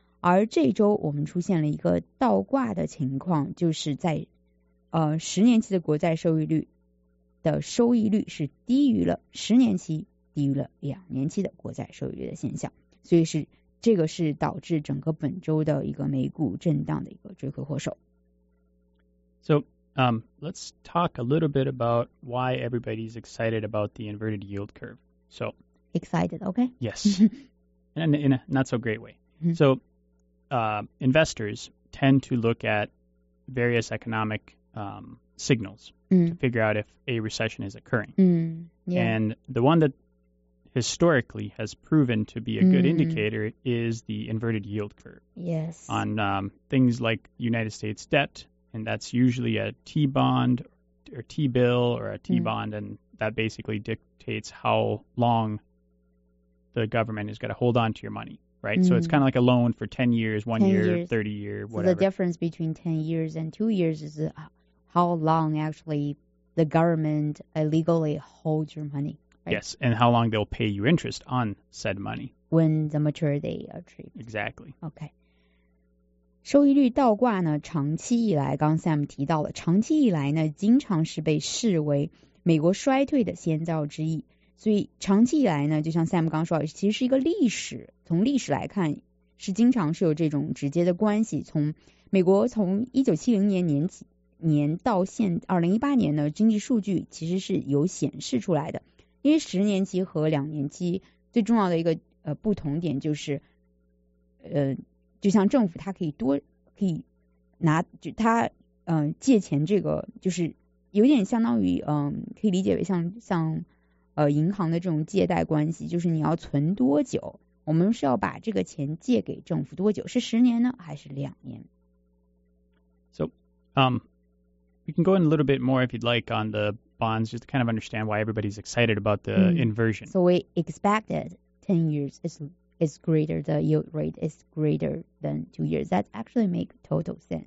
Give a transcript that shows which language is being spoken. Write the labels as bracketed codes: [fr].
[zh] 而这周我们出现了一个倒挂的情况，就是在十年期的国债收益率的收益率是低于了十年期，低于了两年期的国债收益率的现象，所以是这个是导致整个本周的一个美股震荡的一个罪魁祸首。 [en] So, let's talk a little bit about why everybody's excited about the inverted yield curve. So excited, okay? Yes, in a not so great way. So, investors tend to look at various economic signals to figure out if a recession is occurring. Yeah. And the one that historically has proven to be a good indicator is the inverted yield curve. Yes. On things like United States debt, and that's usually a T-bond or T-bill or a T-bond, and that basically dictates how long the government is going to hold on to your money, right? So it's kind of like a loan for 10 years, 1 10 year, years. 30 year, whatever. So the difference between 10 years and 2 years is how long actually the government illegally holds your money. Right? Yes, and how long they'll pay you interest on said money. When the maturity achieves. Exactly. Okay. [zh] 收益率倒挂呢，长期以来，刚 Sam 提到了，长期以来呢，经常是被视为美国衰退的先兆之一。所以长期以来呢，就像 Sam 刚说，其实是一个历史，从历史来看，是经常是有这种直接的关系。从美国从1970年到现2018年呢，经济数据其实是有显示出来的。因为十年期和两年期最重要的一个不同点就是，就像政府它借钱，这个就是有点相当于可以理解为像银行的这种借贷关系，就是你要存多久，我们是要把这个钱借给政府多久，是十年呢还是两年 [en] ？So, we can go in a little bit more if you'd like on the bonds, just to kind of understand why everybody's excited about the inversion. So we expected 10 years is greater, the yield rate is greater than 2 years. That actually makes total sense.